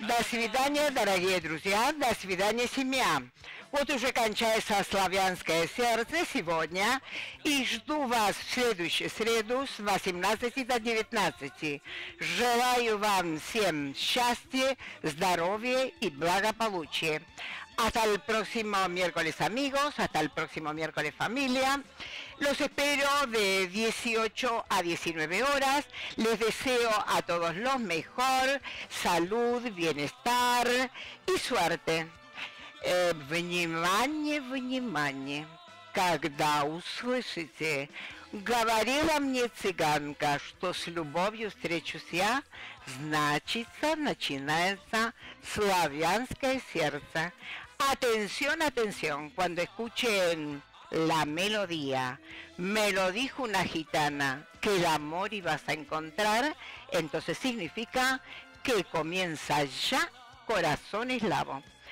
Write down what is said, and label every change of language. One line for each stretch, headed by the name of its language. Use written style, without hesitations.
Russian: Свидание, дорогие друзья, до свидания, семья. Вот уже кончается славянское сердце сегодня. И жду вас в следующую среду с 18 до 19. Желаю вам всем счастья, здоровья и благополучия.
Spanish: Hasta el próximo miércoles, amigos. Hasta el próximo miércoles, familia. Los espero de 18 a 19 horas. Les deseo a todos lo mejor, salud, bienestar y suerte.
Russian: Внимание, внимание. Когда услышите, говорила мне цыганка, что с любовью встречусь я, значит, начинается славянское сердце.
Spanish: Atención, atención, cuando escuchen... la melodía. Me lo dijo una gitana, que el amor ibas a encontrar, entonces significa que comienza ya Corazón Eslavo.